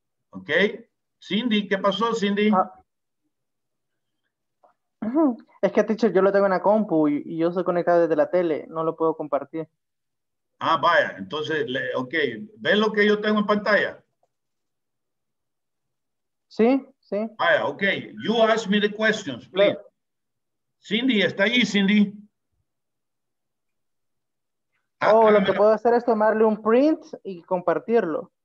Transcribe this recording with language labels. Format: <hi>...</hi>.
<es>Okay, Cindy, ¿qué pasó, Cindy? Es que, teacher, yo lo tengo en la compu y yo soy conectado desde la tele, no lo puedo compartir. Ah, vaya, entonces, okay, ¿ves lo que yo tengo en pantalla? Sí, sí.</es> <en>Vaya, okay, you ask me the questions, please.</en> <es>Yeah. Cindy, ¿está ahí, Cindy? Oh, lo que puedo hacer es tomarle un print y compartirlo.</es>